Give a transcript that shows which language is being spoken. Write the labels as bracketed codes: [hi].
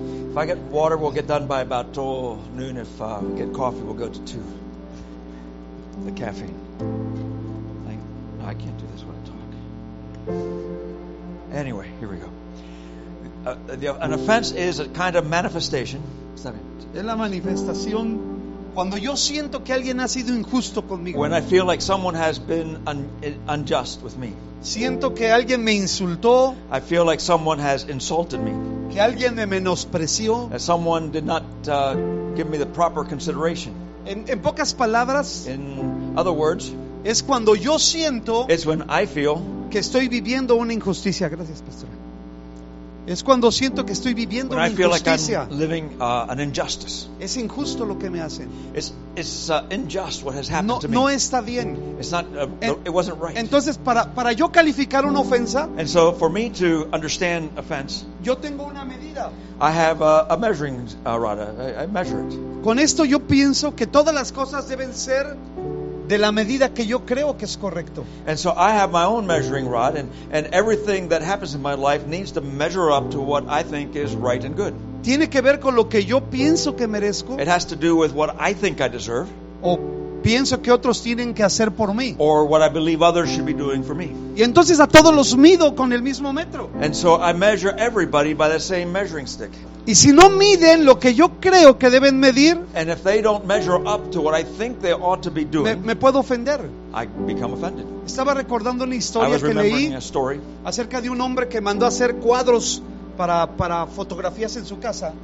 [en] If I get water, we'll get done by about noon. If we get coffee, we'll go to 2. The caffeine. No, I can't do this when I talk. Anyway, here we go. An offense is a kind of manifestation. [es] Es la manifestación cuando yo siento que alguien ha sido injusto conmigo. [en] When I feel like someone has been unjust with me. [es] Siento que alguien me insultó. [en] I feel like someone has insulted me. [es] Que alguien me menospreció. [en] That someone did not give me the proper consideration. [es] En pocas palabras, [en] in other words, [es] es cuando yo siento, [en] it's when I feel, [es] que estoy viviendo una injusticia. Gracias, pastor. Es cuando siento que estoy viviendo una injusticia. [en] When I feel like I'm living an injustice. [es] Es injusto lo que me hacen. [en] It's unjust what has happened to me. [es] No está bien. [en] It's not, it wasn't right. [es] Entonces, para yo calificar una ofensa, [en] and so for me to understand offense, [es] yo tengo una medida. [en] I have a measuring rod. I measure it. [es] Con esto yo pienso que todas las cosas deben ser de la medida que yo creo que es correcto. [en] And so I have my own measuring rod, and everything that happens in my life needs to measure up to what I think is right and good. [es] Tiene que ver con lo que yo pienso que merezco. [en] It has to do with what I think I deserve. [es] O pienso que otros tienen que hacer por mí. [en] Or what I believe others should be doing for me. [es] Y entonces a todos los mido con el mismo metro. [en] And so I measure everybody by the same measuring stick. [es] Y si no miden lo que yo creo que deben medir, [en] and if they don't measure up to what I think they ought to be doing, [es] me puedo ofender. [en] I become offended. [es] Estaba recordando una historia que leí acerca de un hombre que mandó a hacer cuadros para fotografías en su casa.